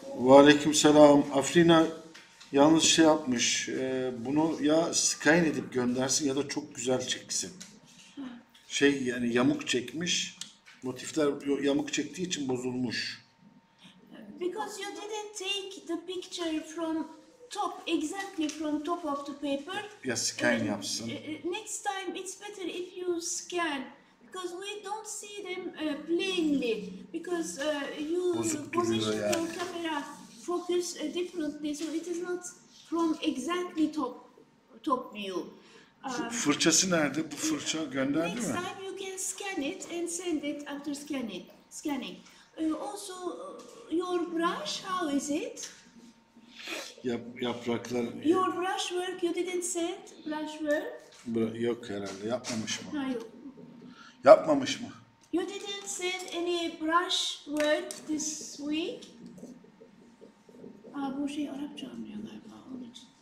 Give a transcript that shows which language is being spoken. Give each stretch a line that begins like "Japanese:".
Turkish: Aleyküm selam. Afrina yanlış şey yapmış. Bunu ya scan edip göndersin ya da çok güzel çeksin. Şey yani yamuk çekmiş. Motifler yamuk çektiği için bozulmuş.
English: Because you didn't take the picture from top, exactly from top of the paper.
Turkish: Ya scan yapsın.
English: Next time it's better if you scan. because we don't see them plainly because you position your camera focus differently, so it is not from exactly top view.
Turkish: Fırçası nerede? Bu fırça gönderdi
English: next
Turkish: mi?
English: Next time you can scan it and send it after scanning. Also your brush, how is it?
Turkish: Yapraklar.
English: Your brush work, you didn't send brush work.
Turkish: Yok herhalde, yapmamış mı? Hayır. Yapmamış mı?
English: You didn't send any brush work this week.
Turkish: Bu şey Arapça anlıyor galiba, onun için.